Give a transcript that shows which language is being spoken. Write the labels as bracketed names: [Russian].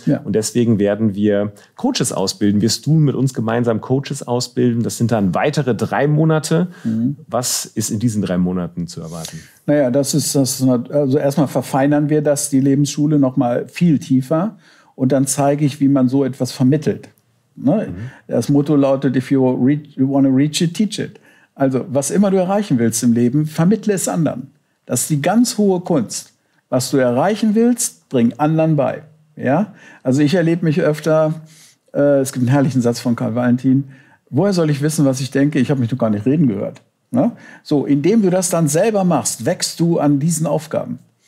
[German] Ja. Und deswegen werden wir Coaches ausbilden. Wirst du mit uns gemeinsam Coaches ausbilden? Das sind dann weitere 3 Monate. Mhm. Was ist in diesen 3 Monaten zu erwarten? Naja, das ist das. Also erstmal verfeinern wir das, die Lebensschule noch mal viel tiefer. Und dann zeige ich, wie man so etwas vermittelt. Ne? Mhm. Das Motto lautet: [English] If you want to reach it, teach it. [German] Also, was immer du erreichen willst im Leben, vermittle es anderen. Das ist die ganz hohe Kunst. Was du erreichen willst, bring anderen bei. Ja? Also, ich erlebe mich öfter, es gibt einen herrlichen Satz von Karl Valentin: Woher soll ich wissen, was ich denke? Ich habe mich doch gar nicht reden gehört. Ne? So, indem du das dann selber machst, wächst du an diesen Aufgaben.